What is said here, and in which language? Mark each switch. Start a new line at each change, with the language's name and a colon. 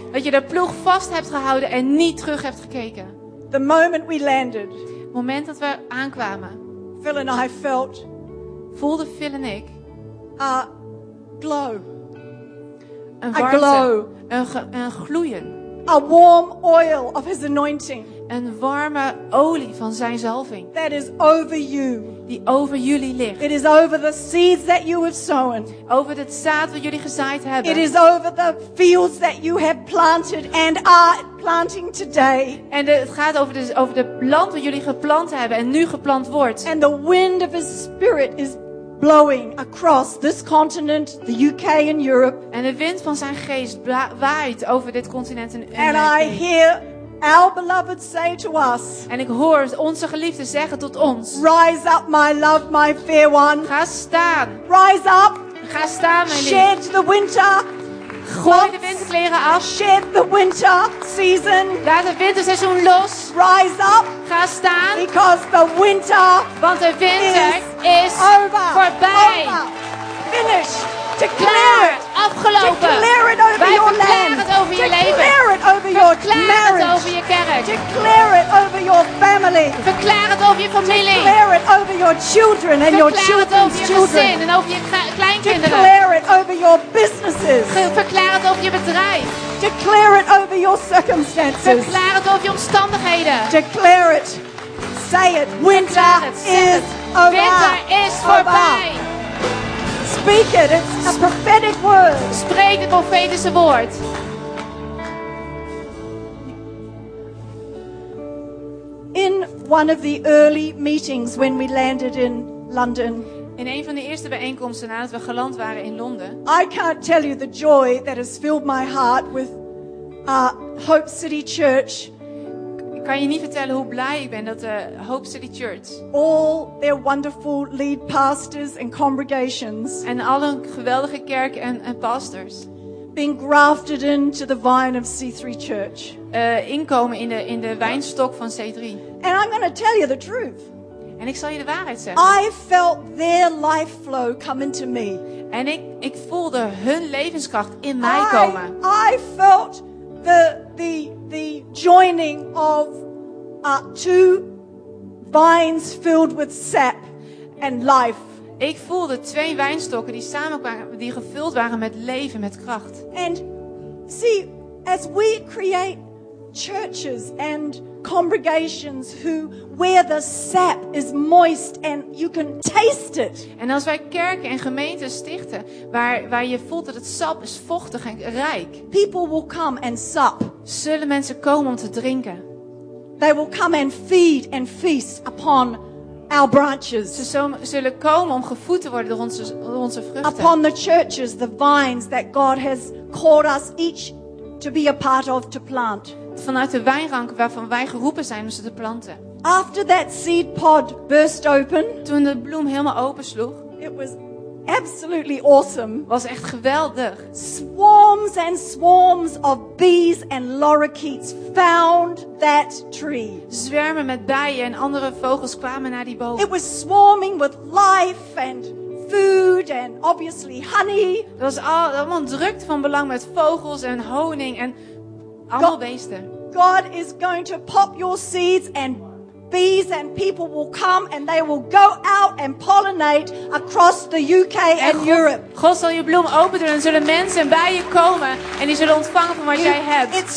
Dutch: Dat je de ploeg vast hebt gehouden en niet terug hebt gekeken.
English: The moment we landed.
Dutch: Het moment dat we aankwamen.
English: Phil and I felt.
Dutch: Voelde Phil en ik.
English: Glow.
Dutch: Een warmte, een gloeien.
English: A warm oil of his anointing.
Dutch: Een warme olie van zijn zalving.
English: That is over you.
Dutch: Die over jullie ligt.
English: It is over the seeds that you have sown.
Dutch: Over het zaad wat jullie gezaaid hebben.
English: It is over the fields that you have planted and are planting today.
Dutch: En het gaat over de land wat jullie geplant hebben en nu geplant wordt.
English: And the wind of his spirit is blowing across this continent, the UK and Europe.
Dutch: En de wind van zijn geest waait over dit continent en Europa.
English: And I hear our beloved say to us.
Dutch: En ik hoor onze geliefde zeggen tot ons.
English: Rise up, my love, my fair one.
Dutch: Ga staan.
English: Rise up.
Dutch: Ga staan, mijn lief.
English: Shed the winter.
Dutch: Gooi de winterkleren af.
English: Shed the winter season.
Dutch: Laat het winterseizoen los.
English: Rise up.
Dutch: Ga staan.
English: Because the winter.
Dutch: Want de winter is
English: over.
Dutch: Voorbij.
English: Finished. Declare it.
Dutch: Afgelopen.
English: Declare it over
Dutch: Wij
English: your land. Declare it over declare
Dutch: je leven.
English: Declare it over your marriage.
Dutch: Het over je kerk.
English: Declare it over your family.
Dutch: Verklaar het over je familie.
English: Declare it over your children and
Dutch: verklaar
English: your children's children.
Dutch: En over je kleinkinderen.
English: Declare it over your businesses.
Dutch: Verklaar het over je bedrijf.
English: Declare it over your circumstances.
Dutch: Verklaar het over je omstandigheden.
English: Declare it. Say it. Winter is over.
Dutch: Winter is voorbij.
English: Speak it. It's a prophetic word.
Dutch: Spreek het profetische woord.
English: In one of the early meetings when we landed in London.
Dutch: In een van de eerste bijeenkomsten nadat we geland waren in Londen.
English: I can't tell you the joy that has filled my heart with Hope City Church.
Dutch: Ik kan je niet vertellen hoe blij ik ben dat de Hope City Church.
English: All their wonderful lead pastors and congregations.
Dutch: En al hun geweldige kerk en pastors.
English: Being grafted into the vine of C3 Church.
Dutch: Inkomen in de wijnstok van C3.
English: And I'm going to tell you the truth.
Dutch: En ik zal je de waarheid zeggen.
English: I felt their life flow come into me.
Dutch: En ik voelde hun levenskracht in mij komen.
English: I felt the joining of two vines filled with sap and life.
Dutch: Ik voelde twee wijnstokken die samenkwamen, die gevuld waren met leven, met kracht.
English: And see, as we create churches and congregations who where the sap is moist and you can taste it.
Dutch: En als wij kerken en gemeenten stichten waar je voelt dat het sap is vochtig en rijk.
English: People will come and sup.
Dutch: Zullen mensen komen om te drinken.
English: They will come and feed and feast upon our branches.
Dutch: Ze zullen komen om gevoed te worden door onze vruchten.
English: Upon the churches, the vines that God has called us each to be a part of to plant.
Dutch: Vanuit de wijnranken waarvan wij geroepen zijn om ze te planten.
English: After that seed pod burst open,
Dutch: toen de bloem helemaal opensloeg,
English: it was absolutely awesome.
Dutch: Was echt geweldig.
English: Swarms and swarms of bees and lorikeets found that tree.
Dutch: Zwermen met bijen en andere vogels kwamen naar die boom.
English: It was swarming with life and food and obviously honey.
Dutch: Dat was allemaal drukte van belang met vogels en honing en allemaal beesten.
English: God is going to pop your seeds and bees and people will come and they will go out and pollinate across the UK and Europe.
Dutch: God zal je bloem openen en zullen mensen en bijen komen en die zullen ontvangen van wat jij hebt.